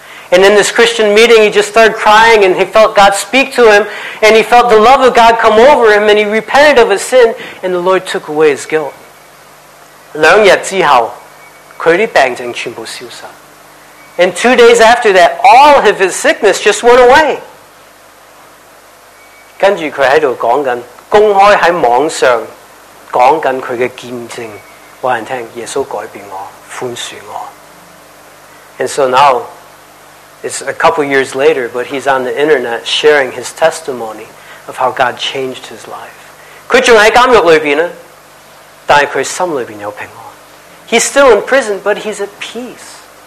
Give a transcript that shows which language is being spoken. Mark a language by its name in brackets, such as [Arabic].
[English] And in this Christian meeting, he just started crying and he felt God speak to him and he felt the love of God come over him and he repented of his sin and the Lord took away his guilt. [Cantonese] 两日之后，佢啲病症全部消失。 [English] And 2 days after that, all of his sickness just went away. [Cantonese] 跟住佢喺度讲紧，公开喺网上讲紧佢嘅见证，话人听耶稣改变我，宽恕我。 [English] And so now, it's a couple years later, but he's on the internet sharing his testimony of how God changed his life. [Cantonese] 佢仲喺监狱里边啊，但系佢心里边有平安。 [English] He's still in prison, but he's at peace.